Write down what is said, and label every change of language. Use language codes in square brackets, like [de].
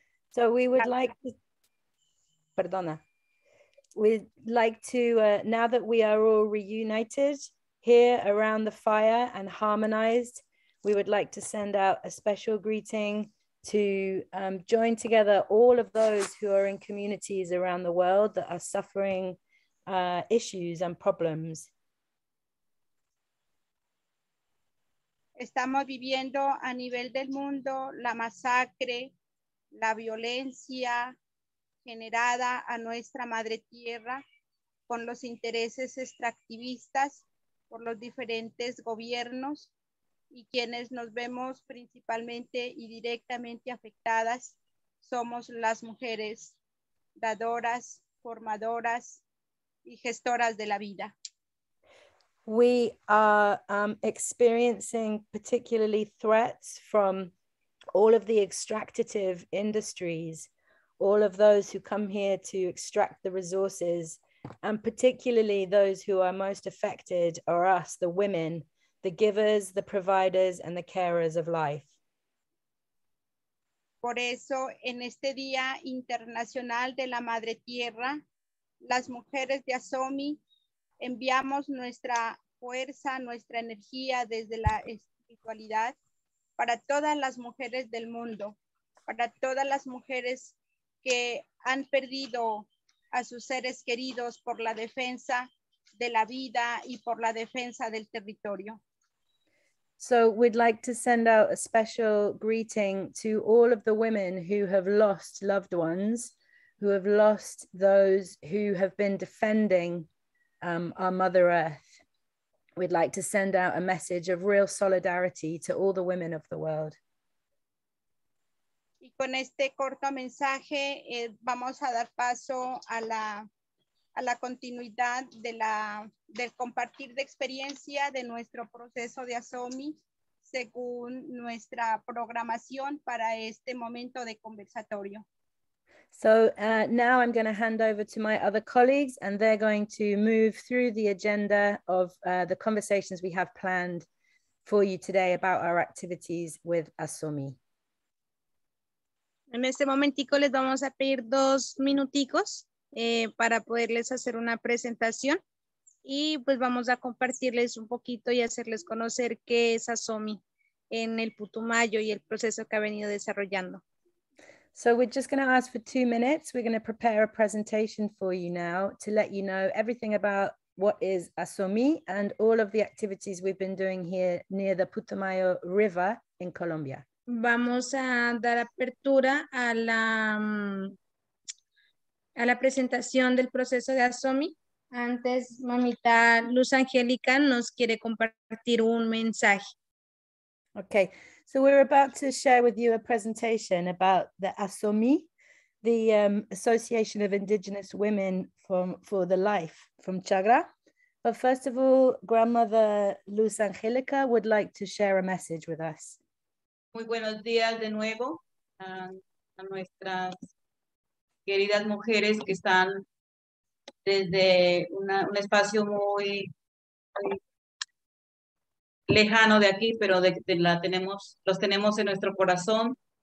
[en] So we would like to, [es] perdona, [en] we'd like to, now that we are all reunited here around the fire and harmonized, we would like to send out a special greeting to join together all of those who are in communities around the world that are suffering issues and problems. [es] Estamos viviendo a nivel del mundo la masacre, la violencia generada a nuestra madre tierra con los intereses extractivistas por los diferentes gobiernos y quienes nos vemos principalmente y directamente afectadas somos las mujeres dadoras, formadoras y gestoras de la vida. [en] We are experiencing particularly threats from all of the extractive industries, all of those who come here to extract the resources, and particularly those who are most affected are us, the women, the givers, the providers, and the carers of life. [es] Por eso, en este Día Internacional de la Madre Tierra, las mujeres de ASOMI enviamos nuestra fuerza, nuestra energía desde la espiritualidad para todas las mujeres del mundo, para todas las mujeres que han perdido a sus seres queridos por la defensa de la vida y por la defensa del territorio. [en] So we'd like to send out a special greeting to all of the women who have lost loved ones, who have lost those who have been defending our Mother Earth. We'd like to send out a message of real solidarity to all the women of the world. [es] Y con este corto mensaje, vamos a dar paso a la continuidad del compartir de experiencia de nuestro proceso de ASOMI según nuestra programación para este momento de conversatorio. [en] So now I'm going to hand over to my other colleagues and they're going to move through the agenda of the conversations we have planned for you today about our activities with ASOMI. [es] En este momentico les vamos a pedir dos minuticos para poderles hacer una presentación y pues vamos a compartirles un poquito y hacerles conocer qué es ASOMI en el Putumayo y el proceso que ha venido desarrollando. [en] So we're just going to ask for 2 minutes. We're going to prepare a presentation for you now to let you know everything about what is ASOMI and all of the activities we've been doing here near the Putumayo River in Colombia. [es] Vamos a dar apertura a la presentación del proceso de ASOMI. Antes, mamita Luz Angelica nos quiere compartir un mensaje. [en] Okay, so we're about to share with you a presentation about the ASOMI, the Association of Indigenous Women for the Life from Chagra. But first of all, Grandmother Luz Angelica would like to share a message with us. [es] Muy buenos días de nuevo a nuestras queridas mujeres que están desde un espacio muy, muy lejano de aquí, pero los tenemos en nuestro corazón.